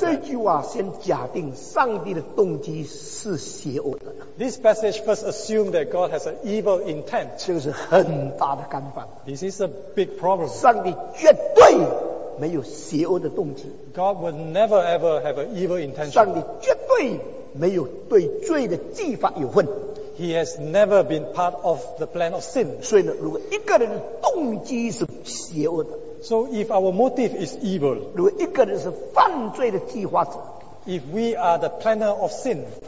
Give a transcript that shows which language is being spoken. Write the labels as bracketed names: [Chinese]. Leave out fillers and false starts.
[Chinese] 这句话先假定上帝的动机是邪恶的。 [English] This passage first assumed that God has an evil intent. [Chinese] 这个是很大的干犯。 [English] This is a big problem. [Chinese] 上帝绝对没有邪恶的动机。 [English] God would never ever have an evil intention. [Chinese] 上帝绝对没有对罪的计划有份。 [English] He has never been part of the plan of sin. [Chinese] 所以呢, 如果一个人的动机是邪恶的, [English] so if our motive is evil, [Chinese] 如果一个人是犯罪的计划者, [English] if we are the planner of sin,